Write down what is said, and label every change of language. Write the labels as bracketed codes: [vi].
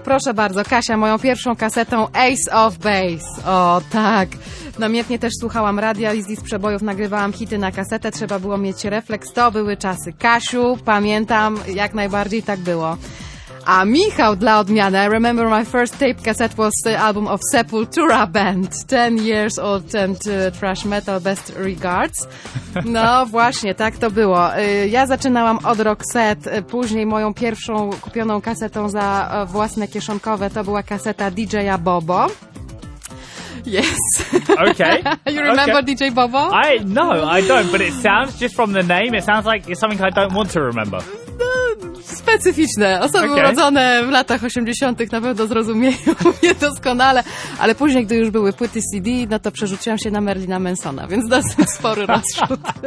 [pl] Proszę bardzo, Kasia, moją pierwszą kasetą Ace of Base. O, tak. Namiętnie też słuchałam radia i z list przebojów nagrywałam hity na kasetę. Trzeba było mieć refleks. To były czasy. Kasiu, pamiętam... Jak najbardziej tak było. A Michał dla odmiany. [en] I remember my first tape cassette was the album of Sepultura Band. 10 years old and thrash metal, best regards. [pl] No właśnie, tak to było. Ja zaczynałam od Roxette, później moją pierwszą kupioną kasetą za własne kieszonkowe to była kaseta DJ-a Bobo. [en] Yes. Okay. You remember DJ Bobo? No, I don't, but it sounds just from the name, it sounds like it's something I don't want to remember. [pl] Specyficzne. Osoby urodzone w latach 80. na pewno zrozumieją mnie doskonale, ale później, gdy już były płyty CD, no to przerzuciłam się na Marilyna Mansona, więc dosyć spory rozrzut.